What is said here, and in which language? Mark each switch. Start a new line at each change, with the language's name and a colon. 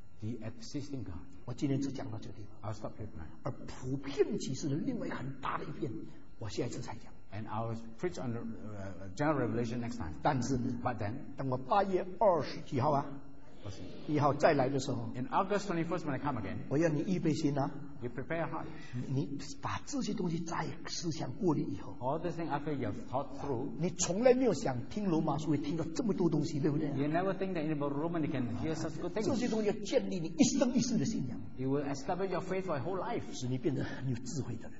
English: ，The existing God。
Chinese: 我今天只讲到这个地方
English: ，I'll stop here tonight。
Chinese: 而普遍启示的另外很大的一片，我下一次才讲。
English: And I will preach on general revelation next time.
Chinese: 但是呢
English: ，But then，
Chinese: 等我八月二十几号啊，一号再来的时候
English: ，In August 21st when I come again，
Chinese: 我要你预备心啊
English: ，You prepare your heart.
Chinese: 你把这些东西再思想过滤以后
English: ，All the things after you've thought through，
Chinese: 你从来没有想听罗马书会听到这么多东西，对不对
English: ？You never think that in the Roman you can hear such good things.
Chinese: 这些东西要建立你一生一世的信仰
English: ，You will establish your faith for a whole life，
Chinese: 使你变得很有智慧的人